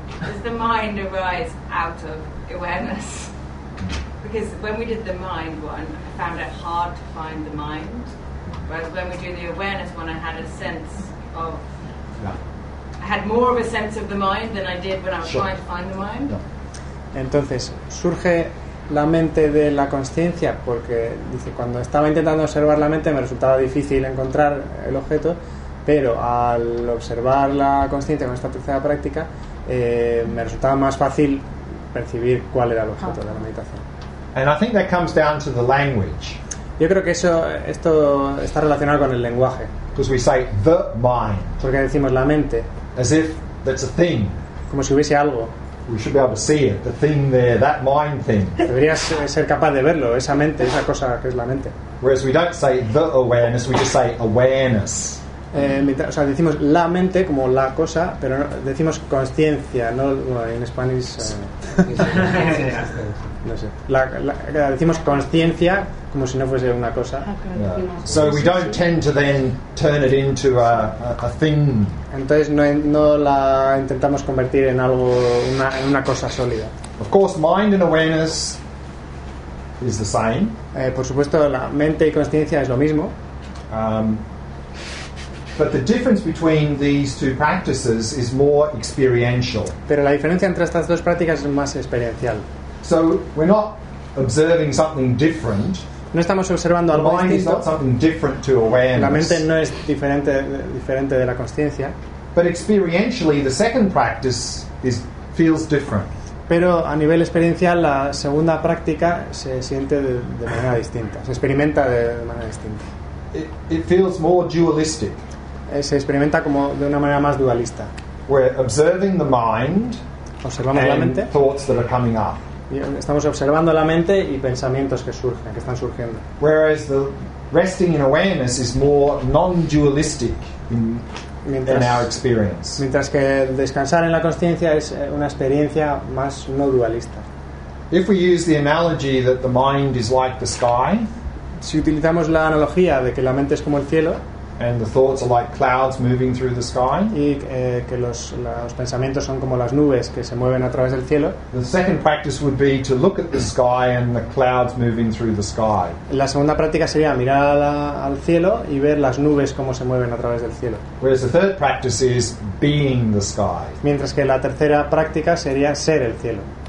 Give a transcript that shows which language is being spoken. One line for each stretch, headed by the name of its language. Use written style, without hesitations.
English: Does the mind arise out of awareness? Because when we did the mind one, I found it hard to find the mind. Whereas when we do the awareness one, I had a sense of. Yeah. I had more of a sense of the mind than I did when I was sure. trying to find the mind. Yeah.
Spanish: Entonces, surge. La mente de la consciencia, porque dice cuando estaba intentando observar la mente me resultaba difícil encontrar el objeto, pero al observar la consciencia con esta tercera práctica me resultaba más fácil percibir cuál era el objeto de la meditación.
English: And I think that comes down to the language.
Spanish: Yo creo que esto está relacionado con el lenguaje.
English: Because we say the mind.
Spanish: Porque decimos la mente.
English: As if that's a thing.
Spanish: Como si hubiese algo.
English: We should be able to see it, the thing there, that mind thing.
Spanish: Deberías ser capaz de verlo, esa mente, esa cosa que es la mente.
English: Whereas we don't say the awareness, we just say awareness.
Spanish: O sea, decimos la mente como la cosa, pero no, decimos consciencia, no en Spanish. no sé. Decimos consciencia como si no fuese una cosa.
English: Yeah. So we don't tend to then turn it into a thing.
Spanish: Entonces no la intentamos convertir en algo, en una cosa sólida.
English: Of course, mind and awareness is the same.
Spanish: Por supuesto, la mente y consciencia es lo mismo.
English: But the difference between these two practices is more experiential.
Spanish: Pero la diferencia entre estas dos prácticas es más experiencial.
English: So we're not observing something different.
Spanish: No estamos observando algo distinto.
English: The mind is not something different to awareness.
Spanish: La mente no es diferente de la consciencia.
English: But experientially, the second practice feels different.
Spanish: Pero a nivel experiencial, la segunda práctica se siente de manera distinta. Se experimenta de manera distinta.
English: It feels more dualistic.
Spanish: Se experimenta como de una manera más dualista.
English: We're observing the mind.
Spanish: Observamos
English: and
Spanish: la mente.
English: Thoughts that are coming up.
Spanish: Estamos observando la mente y pensamientos que surgen, que están surgiendo.
English: Whereas the resting in awareness is more non-dualistic in our experience.
Spanish: Mientras que descansar en la consciencia es una experiencia más no dualista.
English: If we use the analogy that the mind is like the sky.
Spanish: Si utilizamos la analogía de que la mente es como el cielo.
English: And the thoughts are like clouds moving through the sky.
Spanish: Y que los pensamientos son como las nubes que se mueven a través del cielo.
English: The second practice would be to look at the sky and the clouds moving through the sky.
Spanish: La segunda práctica sería mirar al cielo y ver las nubes cómo se mueven a través del cielo.
English: Whereas the third practice is being the sky.
Spanish: Mientras que la tercera práctica sería ser el cielo.